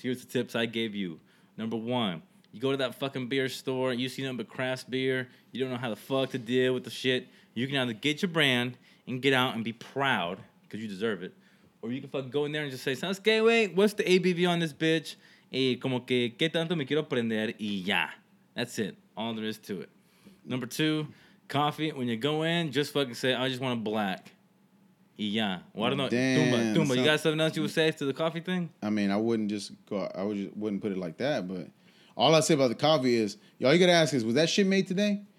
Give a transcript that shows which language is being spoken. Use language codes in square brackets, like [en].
[en] Here's the tips I gave you. Number one, you go to that fucking beer store, you see nothing but craft beer, you don't know how the fuck to deal with the shit. You can either get your brand and get out and be proud, because you deserve it. Or you can fucking go in there and just say, sounds gay, wait, what's the ABV on this bitch? [es] Y como que, ¿qué tanto me quiero aprender? Y ya. [en] That's it. All there is to it. Number two, coffee. When you go in, just fucking say, I just want a black. [es] Y ya. [en] Well, I don't know. Damn, Tumba, you got something else you would say to the coffee thing? I mean, I wouldn't just go, I wouldn't put it like that, but all I say about the coffee is, all you got to ask is, was that shit made today?